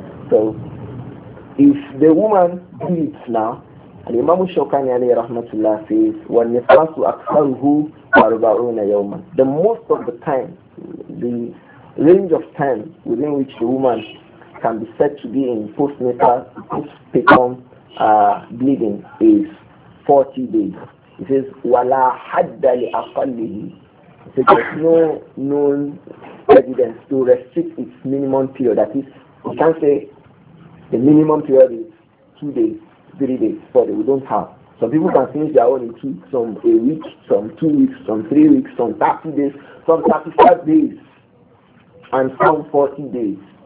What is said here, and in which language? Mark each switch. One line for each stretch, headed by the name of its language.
English: So, if the woman bleeds now, and Imam Shawkani alayhi rahmatullah says,
Arabic: وَالنِّفَاسُ أَكْسَرُهُ أَرْبَعُونَ يَوْمًا.
English: The most of the time, the range of time within which the woman can be said to be in postpartum bleeding is 40 days. He says,
Arabic: وَلَا حَدَّ لِأَقَلِّهِ.
English: He says, there's no known evidence to restrict its minimum period. That is, you can't say the minimum period is 2 days, 3 days, but we don't have. Some people can finish their own in 2 weeks, some a week, some 2 weeks, some 3 weeks, some 30 days, some 35 days, and some 40 days.